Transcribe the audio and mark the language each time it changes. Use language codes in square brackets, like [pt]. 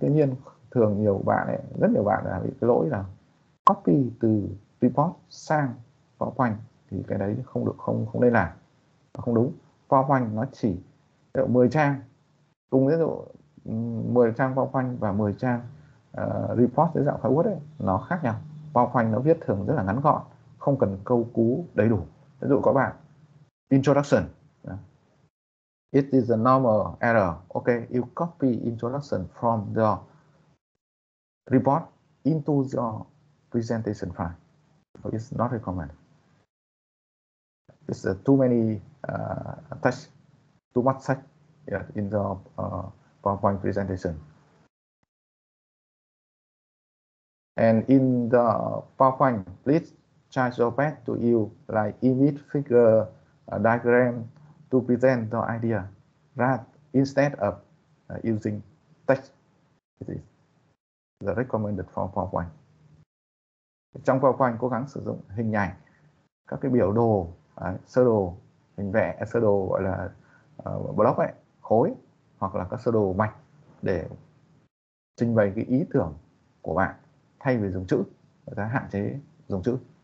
[vi] Tuy nhiên thường nhiều bạn ấy, rất nhiều bạn là bị cái lỗi là copy từ report sang PowerPoint thì cái đấy không được, không nên làm, nó không đúng. PowerPoint nó chỉ 10 trang cùng ví dụ 10 trang PowerPoint và 10 trang report dưới dạng PowerPoint ấy, nó khác nhau. PowerPoint nó viết thường rất là ngắn gọn, không cần câu cú đầy đủ. Ví dụ có bạn [en] introduction, it is a normal error, ok, you copy introduction from the report into your presentation file, so it's not recommended, it's too many text, too much text, yeah, in the PowerPoint presentation. And in the PowerPoint, please charge your back to you like image, figure, diagram to present the idea rather instead of using text. This is the recommended for PowerPoint. [vi] Trong PowerPoint cố gắng sử dụng hình ảnh, các cái biểu đồ, sơ đồ, hình vẽ, sơ đồ gọi là block ấy, khối hoặc là các sơ đồ mạch để trình bày cái ý tưởng của bạn thay vì dùng chữ, người ta hạn chế dùng chữ.